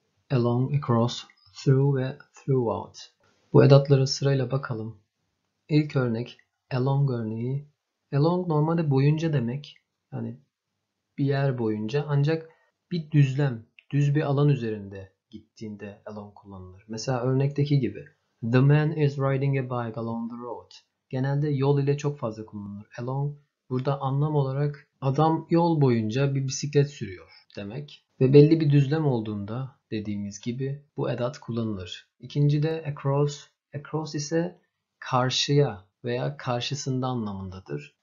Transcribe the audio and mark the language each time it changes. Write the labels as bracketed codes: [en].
[tr] Along, across, through ve throughout. Bu edatlara sırayla bakalım. İlk örnek along örneği. Along normalde boyunca demek. Yani bir yer boyunca. Ancak bir düzlem, düz bir alan üzerinde gittiğinde along kullanılır. Mesela örnekteki gibi. [en] The man is riding a bike along the road. [tr] Genelde yol ile çok fazla kullanılır. Along burada anlam olarak adam yol boyunca bir bisiklet sürüyor demek. Ve belli bir düzlem olduğunda dediğimiz gibi bu edat kullanılır. İkinci de across. Across ise karşıya veya karşısında anlamındadır.